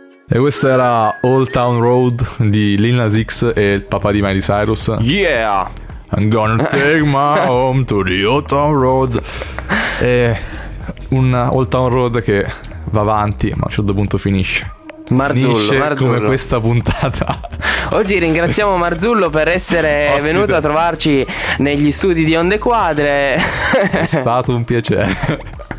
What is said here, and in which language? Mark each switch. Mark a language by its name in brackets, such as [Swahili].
[Italian] E questa era Old Town Road di Lil Nas X e il papà di Miley Cyrus. [English] Yeah! I'm gonna take my home to the Old Town Road. [Italian] È un Old Town Road che va avanti, ma a un certo punto finisce. Marzullo. Come questa puntata. Oggi ringraziamo Marzullo per essere ospite. Venuto a trovarci negli studi di Onde Quadre. È stato un piacere.